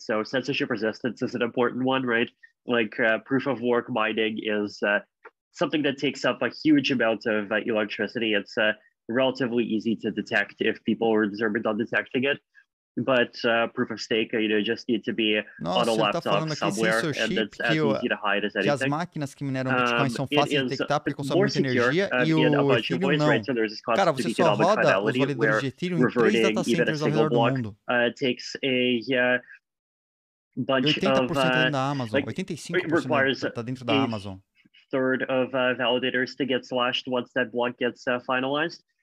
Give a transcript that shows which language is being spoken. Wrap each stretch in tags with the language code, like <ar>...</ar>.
<en>So censorship resistance is an important one, right? Like proof of work mining is something that takes up a huge amount of electricity. It's relatively easy to detect if people are determined on detecting it. But proof of stake, just need to be on a laptop somewhere, and it's as easy to hide as anything.</en> <pt>As máquinas que mineram Bitcoin são fáceis de detectar porque consomem muita energia, e o Ethereum não.</pt> <en>So there's this concept of economic fidelity where reverting even a single block takes a bunch of, requires a third of validators to get slashed once that block gets finalized.</en>